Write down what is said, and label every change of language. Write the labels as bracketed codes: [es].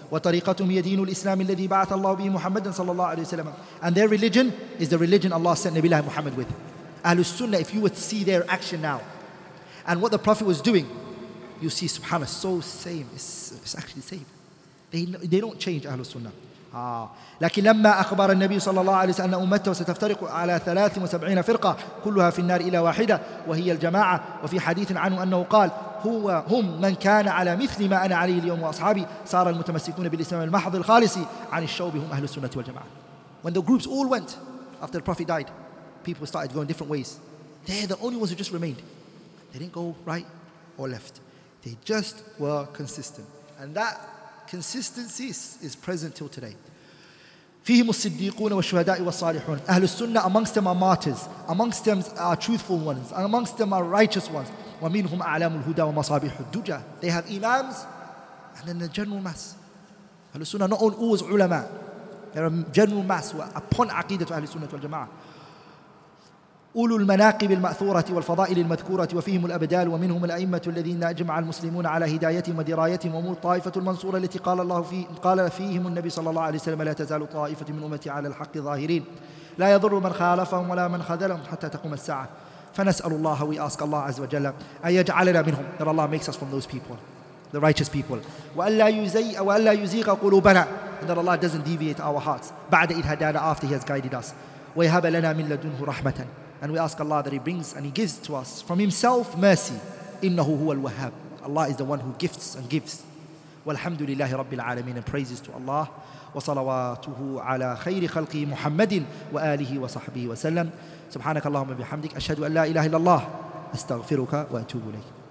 [ar] وَطَرِيقَتُهُمْ يَدِينُ الْإِسْلَامِ الَّذِي بَعَثَ اللَّهُ بِهِ مُحَمَّدًا صَلَّى اللَّهُ عَلَيْهِ وَسَلَّمَ [en] and their religion is the religion Allah sent Nabi Muhammad with. أهل السنة, if you would see their action now and what the Prophet was doing, you see, subhanAllah, so same. It's actually the same. They don't change Ahlul Sunnah. Ah. [ar] لكن لما أخبر النبي صلى الله عليه وسلم أن أمته ستفترق على 73 فرقة كلها في النار إلى واحدة وهي الجماعة وفي حديث عنه أنه قال هم من كان على مثل ما أنا عليه اليوم وأصحابي صار المتمسكون بالإسلام المحض الخالص عن الشوب هم أهل السنة والجماعة. [en] When the groups all went, after the Prophet died, people started going different ways. They're the only ones who just remained. They didn't go right or left. They just were consistent. And that consistency is present till today. [ar] فيهم الصديقون والشهداء والصالحون. [en] أهل السنة, amongst them are martyrs, amongst them are truthful ones, and amongst them are righteous ones. [ar] ومنهم أعلام الهدى ومصابيح الدجى. [en] They have imams, and then the general mass. أهل السنة not always علماء. There are general mass upon عقيدة أهل السنة والجماعة. [ar] أولو المناقب المأثورة والفضائل المذكورة وفيهم الأبدال ومنهم الأئمة الذين أجمع المسلمون على هدايتهم ودرايتهم وهم الطائفة المنصورة التي قال الله في قال فيهم النبي صلى الله عليه وسلم لا تزال طائفة من أمتي على الحق ظاهرين لا يضر من خالفهم ولا من خذلهم حتى تقوم الساعة فنسأل الله [en] we ask Allah [ar] عز وجل أن يجعلنا منهم [en] that Allah makes us from those people the righteous people [ar] وألا يزيغ قلوبنا [en] and that Allah doesn't deviate our hearts [ar] بعد إذ هدانا [en] after he has guided us [ar] ويهب لنا من لدنه رحمة. [en] And we ask Allah that He brings and He gives to us from Himself mercy. [ar] إِنَّهُ هُوَ الْوَهَّابُ. [en] Allah is the one who gifts and gives. [ar] وَالْحَمْدُ لِلَّهِ رَبِّ الْعَالَمِينَ. [en] And praises to Allah. [ar] وَصَلَوَاتُهُ عَلَى خَيْرِ خَلْقِ مُحَمَّدٍ وَآلِهِ وَصَحْبِهِ وَسَلَّمْ. سُبْحَانَكَ اللَّهُمَّ بِحَمْدِكَ أَشْهَدُ أَنْ لَا إِلَهَ إِلَّا اللَّهُ أَسْتَغْفِرُكَ وَأَتُوبُ إِلَيْكَ.